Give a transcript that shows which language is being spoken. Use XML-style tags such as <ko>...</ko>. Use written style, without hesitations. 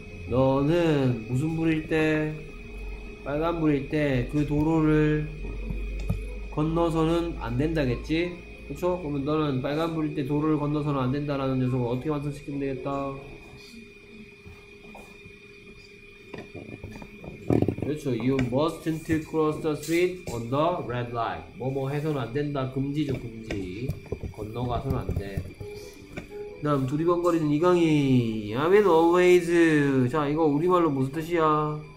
<ko>너는 무슨 불일 때 빨간 불일 때그 도로를 건너서는 안 된다겠지? 그렇죠? 그러면 너는 빨간 불일 때 도로를 건너서는 안 된다라는 녀석을 어떻게 완성시키면 되겠다? 그렇죠.</ko> <en>You mustn't cross the street on the red light.</en> <ko>뭐뭐 해서는 안 된다. 금지죠, 금지. 건너가서는 안 돼. 그다음 두리번거리는 이강이.</ko> <en>I mean always.</en> <ko>자, 이거 우리말로 무슨 뜻이야?</ko>